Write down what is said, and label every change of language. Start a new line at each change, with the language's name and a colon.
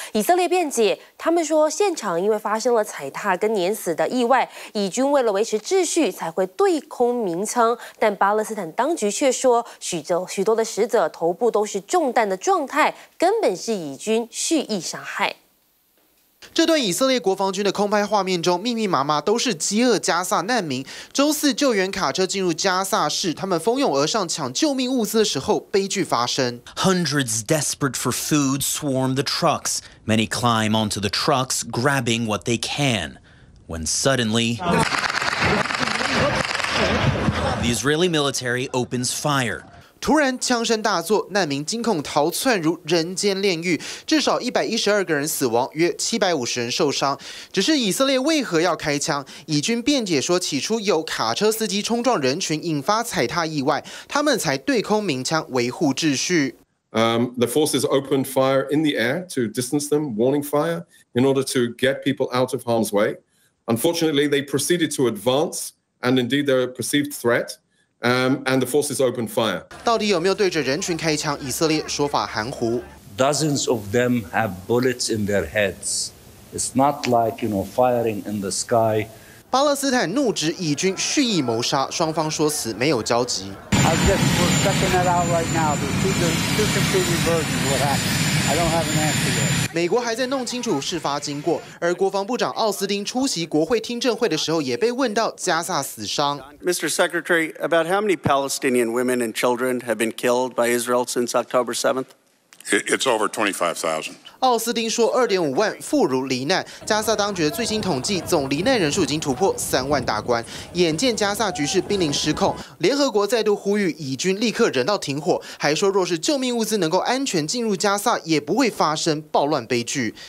Chinese: 以色列辩解，他们说现场因为发生了踩踏跟碾死的意外，以军为了维持秩序才会对空鸣枪，但巴勒斯坦当局却说许多的死者头部都是中弹的状态，根本是以军蓄意杀害。这段以色列国防军的空拍画面中，密密麻麻都是饥饿加萨难民。周四救援卡车进入加萨市，他们蜂拥而上抢救命物资的时候，悲剧发生。
English: Hundreds desperate for food swarm the trucks. Many climb onto the trucks, grabbing what they can. When suddenly, the Israeli military opens fire.
Chinese: 突然枪声大作，难民惊恐逃窜如人间炼狱，至少112个人死亡，约750人受伤。只是以色列为何要开枪？以军辩解说，起初有卡车司机冲撞人群引发踩踏意外，他们才对空鸣枪维护秩序。
English: The forces opened fire in the air to distance them, warning fire, in order to get people out of harm's way. Unfortunately, they proceeded to advance, and indeed they're a perceived threat, and the forces opened fire.
Chinese: 到底有没有对着人群开枪？以色列说法含糊。
English: Dozens of them have bullets in their heads. It's not like, you know, firing in the sky.
Chinese: 巴勒斯坦怒指以军蓄意谋杀，双方说辞没有交集。美国还在弄清楚事发经过，而国防部长奥斯汀出席国会听证会的时候，也被问到加萨死伤。
English: Mr. Secretary, about how many Palestinian women and children have been killed by Israel since October 7th? It's over 25,000.
Chinese: 奥斯汀说 2.5 万妇孺罹难，加萨当局的最新统计总罹难人数已经突破3万大关，眼见加萨局势濒临失控，联合国再度呼吁以军立刻人道停火，还说若是救命物资能够安全进入加萨，也不会发生暴乱悲剧。